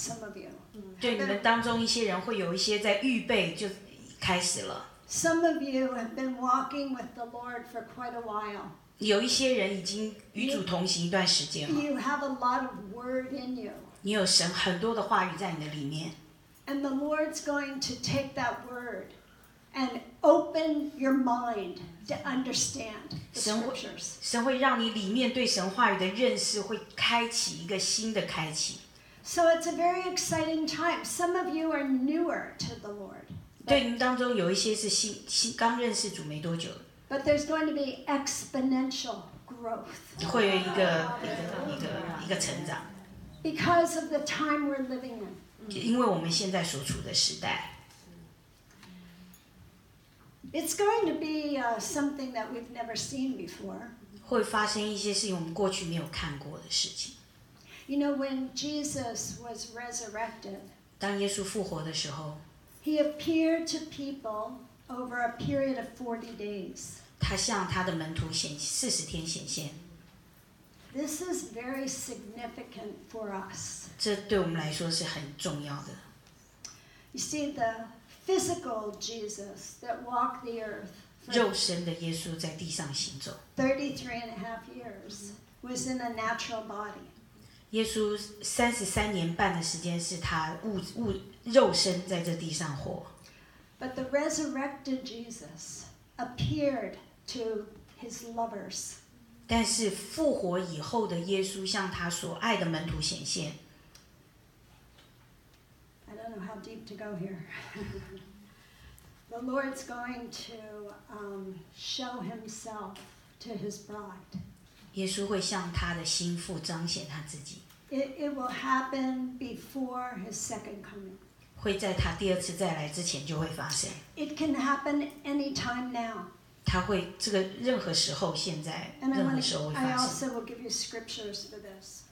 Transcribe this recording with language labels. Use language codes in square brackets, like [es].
[en] Some of you. [zh] 对你们当中一些人会有一些在预备就。开始了。 [en] Some of you have been walking with the Lord for quite a while. [zh] 有一些人已经与主同行一段时间了。 [en] You have a lot of word in you. [zh] 你有神很多的话语在你的里面。 [en] And the Lord's going to take that word and open your mind to understand the scriptures. [zh] 神会让你里面对神话语的认识会开启一个新的开启。 [en] So it's a very exciting time. Some of you are newer to the Lord. [zh] 对你们当中有一些是新刚认识主没多久。 [en] But there's going to be exponential growth. [zh] 会有一个成长。 [en] Because of the time we're living in. [zh] 因为我们现在所处的时代。 [en] It's going to be something that we've never seen before. [zh] 会发生一些事情我们过去没有看过的事情。 [en] You know, when Jesus was resurrected. [zh] 当耶稣复活的时候。 [en] He appeared to people over a period of 40 days. [zh] 他向他的门徒显四十天显现。 [en] This is very significant for us. [zh] 这对我们来说是很重要的。 [en] You see, the physical Jesus that walked the earth. [zh] 肉身的耶稣在地上行走。 [en] 33.5 years was in a natural body. [zh] 耶稣三十三年半的时间是他物肉身在这地上活。 [en] But the resurrected Jesus appeared to his lovers. [zh] 但是复活以后的耶稣向他所爱的门徒显现。 [en] I don't know how deep to go here. The Lord's going to show himself to his bride. [zh] 耶稣会向他的心腹彰显他自己。 [en] It will happen before his second coming. [zh] 会在他第二次再来之前就会发生。 [en] It can happen anytime now. [zh] 他会这个任何时候，现在任何时候会发生。 [en] I also will give you scriptures for this.